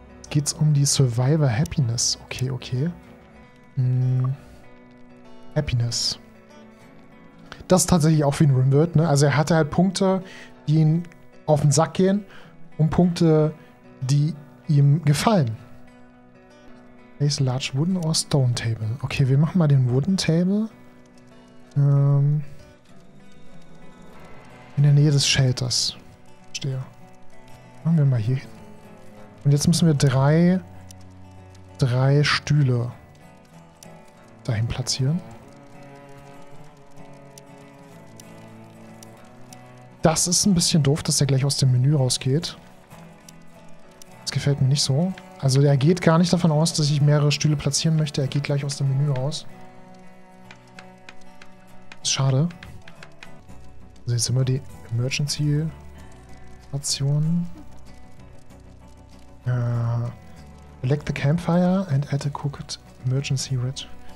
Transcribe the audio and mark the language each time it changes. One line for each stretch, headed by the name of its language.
German: Geht's um die Survivor Happiness. Okay, okay. Happiness. Das ist tatsächlich auch wie ein RimWorld, ne? Also er hatte halt Punkte, die ihn auf den Sack gehen. Und Punkte, die ihm gefallen.
English: Place a large wooden or stone table.
German: Okay, wir machen mal den wooden table. In der Nähe des Shelters. Verstehe. Machen wir mal hier hin. Und jetzt müssen wir drei Stühle dahin platzieren. Das ist ein bisschen doof, dass der gleich aus dem Menü rausgeht. Gefällt mir nicht so. Also er geht gar nicht davon aus, dass ich mehrere Stühle platzieren möchte. Er geht gleich aus dem Menü raus. Ist schade. Also jetzt sind wir die Emergency Station.
English: Select the campfire and add a cooked emergency red.